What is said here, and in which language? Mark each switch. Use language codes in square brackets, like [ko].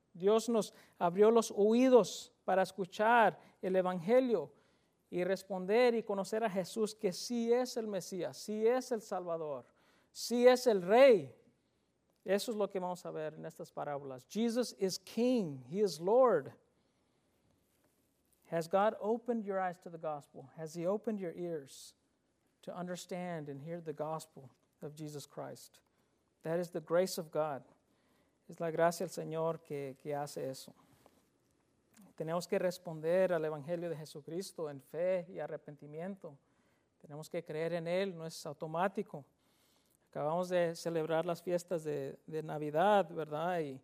[es] Dios nos abrió los oídos para escuchar el evangelio y responder y conocer a Jesús, que sí es el Mesías, sí es el Salvador, sí es el Rey. Eso es lo que vamos a ver en estas parábolas. [en] Jesus is King. He is Lord. Has God opened your eyes to the gospel? Has He opened your ears to understand and hear the gospel of Jesus Christ? That is the grace of God. [es] Es la gracia del Señor que hace eso. Tenemos que responder al Evangelio de Jesucristo en fe y arrepentimiento. Tenemos que creer en Él, no es automático. Acabamos de celebrar las fiestas de Navidad, ¿verdad?